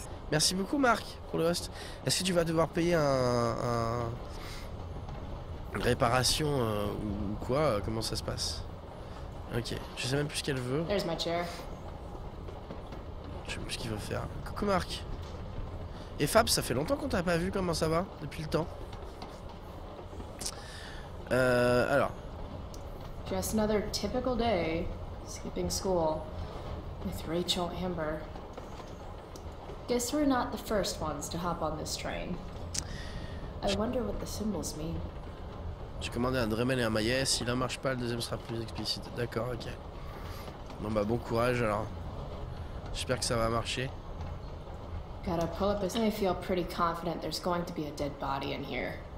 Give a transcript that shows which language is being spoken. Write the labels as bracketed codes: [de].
[fr] Merci beaucoup Marc pour le host. Est-ce que tu vas devoir payer une réparation ou quoi? Comment ça se passe? Ok, je sais même plus ce qu'elle veut. [en] There's my chair. [fr] Je sais plus ce qu'il veut faire. Coucou Marc. Et Fab, ça fait longtemps qu'on t'a pas vu, comment ça va? Depuis le temps. Alors. [en] Just another typical day, skipping school, with Rachel Amber. Guess we're not the first ones to hop on this train. I wonder what the symbols mean. [fr] J'ai commandé un Dremel et un Maillet, si l'un marche pas, le deuxième sera plus explicite. D'accord, ok. Bon bah bon courage alors. J'espère que ça va marcher. [en] Gotta pull up his... I feel pretty confident there's going to be a dead body in here.